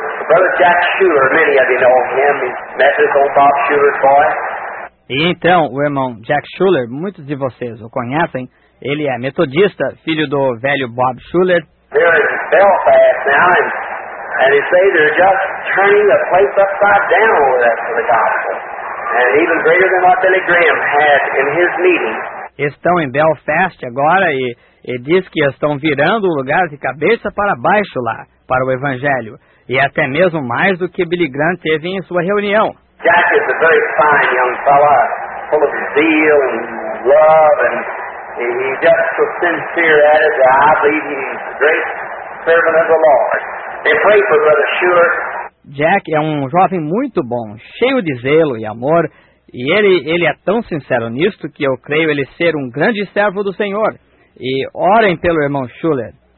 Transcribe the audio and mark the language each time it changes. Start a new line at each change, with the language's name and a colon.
English: Brother Jack Schuler, many of you know him, he's Methodist old Bob Schuler's boy.
Portuguese: E então, o irmão Jack Schuler, muitos de vocês o conhecem, ele é metodista, filho do velho Bob Schuler.
English: They're in Belfast now, and they say they're just turning the place upside down over there for the gospel. And even greater than what Billy Graham had in his meeting.
Portuguese: Estão em Belfast agora e diz que estão virando o lugar de cabeça para baixo lá, para o evangelho. E até mesmo mais do que Billy Graham teve em sua reunião.
English: Jack is a very fine young fellow, full of zeal and love, and he's just so sincere at it that I believe he's a great servant of the Lord. They pray for Brother Schuler.
Portuguese: Jack é um jovem muito bom, cheio de zelo e amor, e ele é tão sincero nisto que eu creio ele ser um grande servo do Senhor. E orem pelo irmão Schuler.